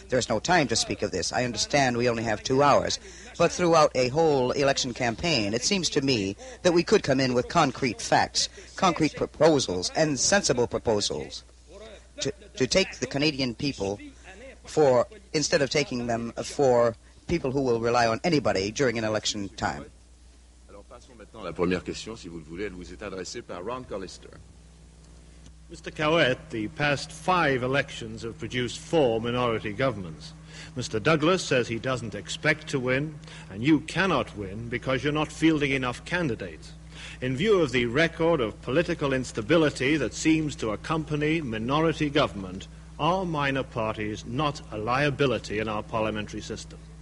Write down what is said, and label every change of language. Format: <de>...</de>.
<en>There is no time to speak of this. I understand we only have 2 hours. But throughout a whole election campaign, it seems to me that we could come in with concrete facts, concrete proposals, and sensible proposals to take the Canadian people for, instead of taking them for people who will rely on anybody during an election time.</en> <fr>La première question, si vous le voulez, elle vous est adressée par Ron Collister.</fr> <en>Mr. Caouette, the past five elections have produced four minority governments. Mr. Douglas says he doesn't expect to win, and you cannot win because you're not fielding enough candidates. In view of the record of political instability that seems to accompany minority government, are minor parties not a liability in our parliamentary system?</en>